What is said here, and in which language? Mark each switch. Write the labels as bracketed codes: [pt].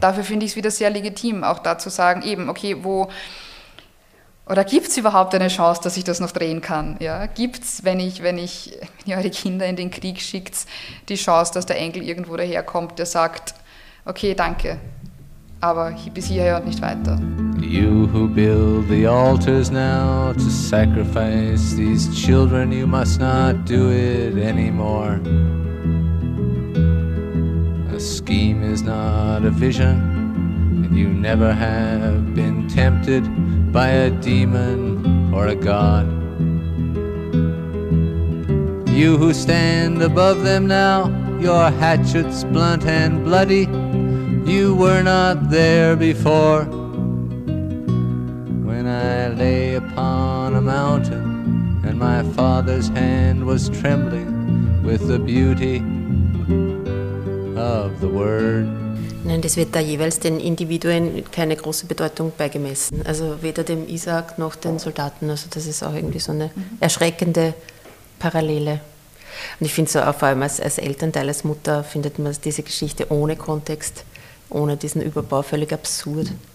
[de] Dafür finde ich es wieder sehr legitim, auch da zu sagen, eben, okay, wo. Oder gibt es überhaupt eine Chance, dass ich das noch drehen kann? Ja, gibt es, wenn ihr eure Kinder in den Krieg schickt, die Chance, dass der Enkel irgendwo daherkommt, der sagt, okay, danke, aber bis hierher und nicht weiter. [en] You who build the altars now to sacrifice these children, you must not do it anymore. A scheme is not a vision, and you never have been tempted by a demon or a god. You who stand above them now, your hatchets blunt and bloody, you were not there before. When I lay upon a mountain and my father's hand was trembling with the beauty of the word. [de] Nein, das wird da jeweils den Individuen keine große Bedeutung beigemessen. Also weder dem Isaac noch den Soldaten. Also das ist auch irgendwie so eine erschreckende Parallele. Und ich finde so auch, vor allem als Elternteil, als Mutter, findet man diese Geschichte ohne Kontext, ohne diesen Überbau völlig absurd.